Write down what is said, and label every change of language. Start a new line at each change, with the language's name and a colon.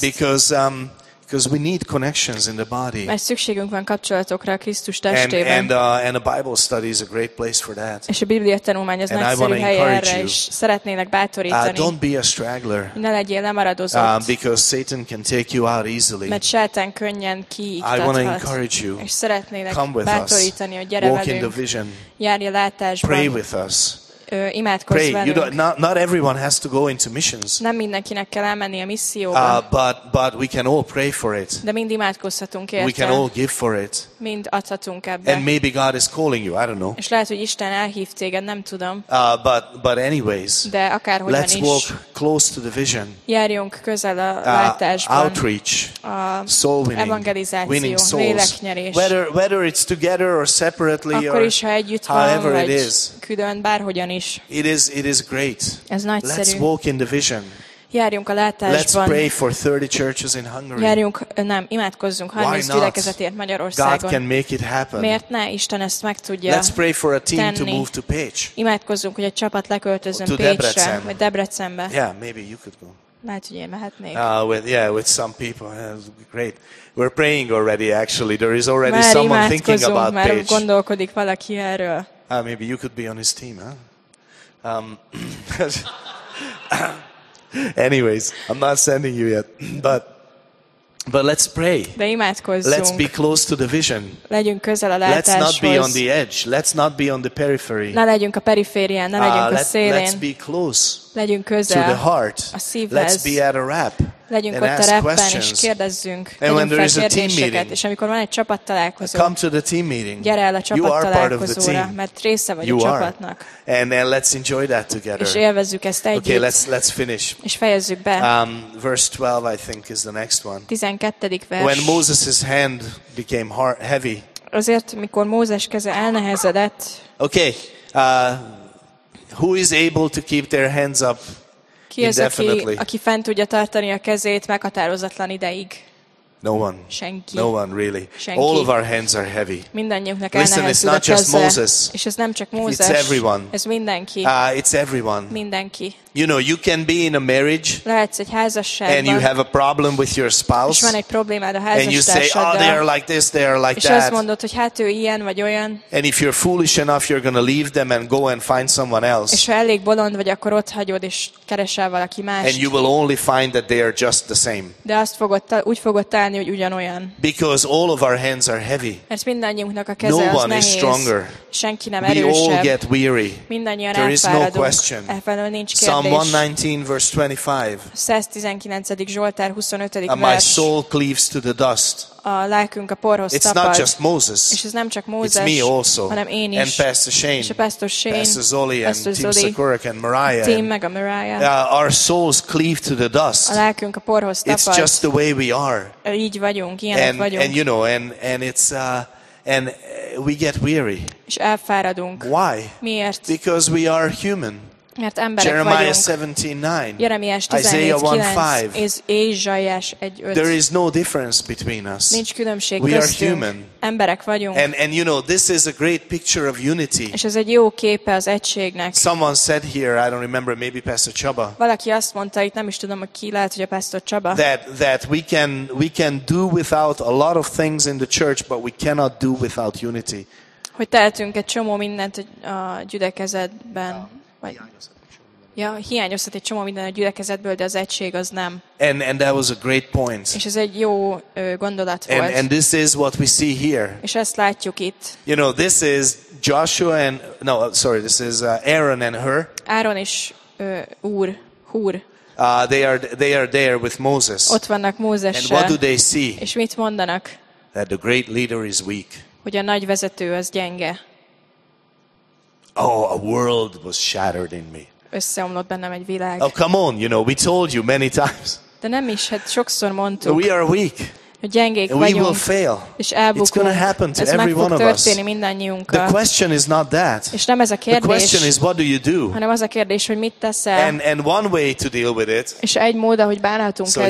English: Because because we need connections in the body.
Hungarian: Mert szükségünk van kapcsolatokra a Krisztus testében.
English: And a Bible study is a great place for that.
Hungarian: És a Biblia tanulmány az nagyszerű hely erre, és szeretnének bátorítani.
English: Don't be a straggler.
Hungarian: Ne legyél lemaradozott.
English: Because Satan can take you out easily.
Hungarian: Mert Sátán könnyen kiiktathat.
English: I want to encourage you.
Hungarian: És szeretnének bátorítani, hogy gyere velünk.
English: Walk in the vision.
Hungarian: Járj a látásban.
English: Pray with us.
Hungarian: Imádkozz velünk.
English: You not everyone has to go into missions.
Hungarian: Nem mindenkinek kell elmenni a misszióba.
English: But we can all pray for it.
Hungarian: De mind imádkozhatunk érte.
English: We can all give for it.
Hungarian: Mind adhatunk ebbe.
English: And maybe God is calling you. I don't know.
Hungarian: És lehet, hogy Isten elhív téged, nem tudom.
English: But anyways.
Hungarian: De akárhogyan
English: let's
Hungarian: is.
English: Let's walk close to the vision.
Hungarian: Járjunk közel a látásban.
English: Outreach. Soul winning.
Hungarian: Evangelizáció.
English: Winning souls.
Hungarian: Léleknyerés.
English: Whether it's together or separately
Hungarian: akkor
English: or
Hungarian: is, ha együtt
English: however
Hungarian: van,
English: it is.
Hungarian: Külön, bárhogyan is.
English: It is great.
Hungarian: Ez nagyszerű.
English: Let's walk in the vision.
Hungarian: Járjunk a látásban.
English: Let's pray for 30 churches in Hungary.
Hungarian: Járjunk, nem, imádkozzunk 30 gyülekezetért Magyarországon.
English: God can make it happen.
Hungarian: Miért ne? Isten ezt meg tudja tenni.
English: Let's pray for a team
Hungarian: tenni.
English: To move to Pécs.
Hungarian: Imádkozzunk, hogy a csapat leköltözön
English: to
Hungarian: Pécsre,
English: Debrecen.
Hungarian: Vagy Debrecenbe.
English: Yeah, maybe you could go.
Hungarian: Lehet, hogy én mehetnék.
English: With some people. That's great. We're praying already, actually. There is already
Hungarian: már
English: someone thinking about
Hungarian: már
English: Pécs.
Hungarian: Már gondolkodik valaki erről.
English: Maybe you could be on his team, huh? anyways, I'm not sending you yet, but let's pray.
Hungarian: De imádkozzunk.
English: Let's be close to the vision.
Hungarian: Legyünk közel a látáshoz.
English: Let's not be on the edge. Let's not be on the periphery.
Hungarian: Ne legyünk a periférián, ne legyünk a szélén.
English: Let's be close.
Hungarian: Legyünk közel.
English: To the heart.
Hungarian: A szívhez.
English: Let's be at a wrap.
Hungarian: legyünk ott a repben, és kérdezzünk, legyünk fel kérdéseket, és amikor van egy csapattalálkozó, gyere el a csapattalálkozóra, mert része vagy a csapatnak.
English: And then let's enjoy that together.
Hungarian: És élvezzük ezt együtt.
English: Okay, let's finish.
Hungarian: És fejezzük be.
English: Verse 12, I think, is the next one.
Hungarian: 12. vers.
English: When Moses' hand became heavy.
Hungarian: Azért, mikor Mózes keze elnehezedett.
English: Okay, who is able to keep their hands up?
Hungarian: Ki az, aki fent tudja tartani a kezét meghatározatlan ideig?
English: No one.
Hungarian: Senki.
English: No one really.
Hungarian: Senki.
English: All of our hands are heavy.
Hungarian: Mindannyiunknak elnehezedett a keze. És ez nem csak Mózes.
English: It's everyone.
Hungarian: Ez mindenki.
English: It's everyone.
Hungarian: Mindenki.
English: You know, you can be in a marriage.
Hungarian: Lehetsz egy házasságban.
English: And you have a problem with your spouse.
Hungarian: És van egy problémád a házastársaddal.
English: And you say, oh, they are like this, they are like that.
Hungarian: És azt mondod, hogy hát ő ilyen vagy olyan.
English: And if you're foolish enough, you're going to leave them and go and find someone else.
Hungarian: És ha elég bolond vagy, akkor ott hagyod és keresel valaki mást.
English: And you will only find that they are just the same.
Hungarian: De azt fogod, úgy fogod találni, hogy ugyanolyan.
English: Because all of our hands are heavy.
Hungarian: Mert mindannyiunknak a keze az nehéz.
English: No one is stronger.
Hungarian: Senki nem
English: we
Hungarian: erősebb.
English: All get weary.
Hungarian: Mindannyian
English: there
Hungarian: elfáradunk.
English: Is no question.
Hungarian: Elfáradunk, nincs kérdés.
English: Psalm 119 verse 25.
Hungarian: 119. Zsoltár 25. vers.
English: My soul cleaves to the dust.
Hungarian: A lelkünk a porhoz tapad.
English: It's not just Moses.
Hungarian: És ez nem csak Mózes.
English: It's me also.
Hungarian: Hanem én is.
English: And Pastor Shane.
Hungarian: És a Pastor Shane.
English: Pastor Zoli and Team Sakurik and Mariah.
Hungarian: Team meg a Mariah.
English: Our souls cleave to the dust.
Hungarian: A lelkünk a porhoz tapad.
English: It's just the way we are.
Hungarian: Így vagyunk, ilyenek vagyunk.
English: And you know, and it's and we get weary.
Hungarian: És elfáradunk.
English: Why?
Hungarian: Miért?
English: Because we are human.
Hungarian: Mert emberek vagyunk.
English: Jeremiah 17:9.
Hungarian: Ézsaiás 1:5.
English: There is no difference between us.
Hungarian: Nincs különbség
English: we are human.
Hungarian: Emberek vagyunk.
English: And you know, this is a great picture of unity.
Hungarian: És ez egy jó képe az egységnek.
English: Someone said here, I don't remember, maybe Pastor Chaba.
Hungarian: Valaki azt mondta itt, nem is tudom, hogy ki lehet, hogy a Pastor Chaba.
English: That we can do without a lot of things in the church, but we cannot do without unity.
Hungarian: Hogy tehetünk egy csomó mindent a gyülekezetben. Ja, hiányozhat egy csomó minden a gyülekezetből, de az egység az nem.
English: And that was a great point.
Hungarian: És ez egy jó gondolat volt.
English: And this is what we see here.
Hungarian: És ezt látjuk itt.
English: You know, this is Joshua and no, sorry, this is Aaron and Hur.
Hungarian: Aaron is Úr, Hur.
English: They are there with Moses.
Hungarian: Ott vannak Mózessel.
English: And what do they see?
Hungarian: És mit mondanak?
English: That the great leader is weak.
Hungarian: Hogy a nagy vezető az gyenge.
English: Oh, a world was shattered in me.
Hungarian: Összeomlott bennem egy világ.
English: Oh, come on, you know, we told you many times.
Hungarian: De nem is, hát sokszor mondtuk.
English: We are weak.
Hungarian: Gyengék vagyunk.
English: We will fail.
Hungarian: És elbukunk.
English: It's going to happen to every one of us.
Hungarian: Ez meg fog történni mindannyiunkkal.
English: The question is not that.
Hungarian: És nem ez a kérdés.
English: The question is, what do you do?
Hungarian: Hanem az a kérdés, hogy mit teszel.
English: And one way to deal with it.
Hungarian: És egy mód, ahogy bánhatunk ezzel.